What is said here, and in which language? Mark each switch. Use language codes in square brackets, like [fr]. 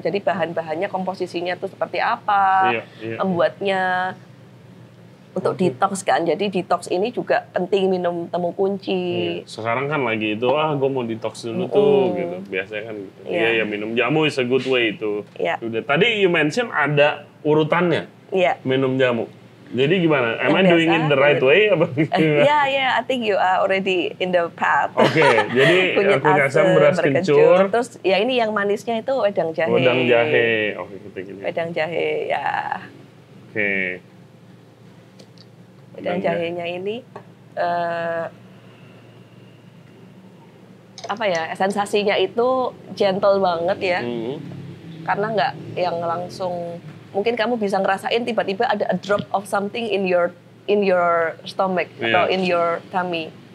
[id] Jadi bahan-bahannya, komposisinya tuh seperti apa, membuatnya untuk detox kan. Jadi detox ini juga penting, minum temu kunci. Sekarang kan lagi itu, gue mau detox dulu tuh gitu. Biasanya kan ya minum jamu [en] is a good way [id] itu. Udah tadi [en] you mention [id] ada urutannya. Minum jamu. Jadi gimana? [en] Am I doing it the right way? I think you are already in the path. [id] Oke, jadi kunyit asam, beras kencur. Terus ya ini yang manisnya itu wedang jahe. Wedang jahe. Oke, kita gini. Wedang jahe ya. Oke. Dan jahenya ini apa ya, sensasinya itu gentle banget ya, karena nggak yang langsung, mungkin kamu bisa ngerasain tiba-tiba ada [en] a drop of something in your stomach [id] atau [en] in your tummy.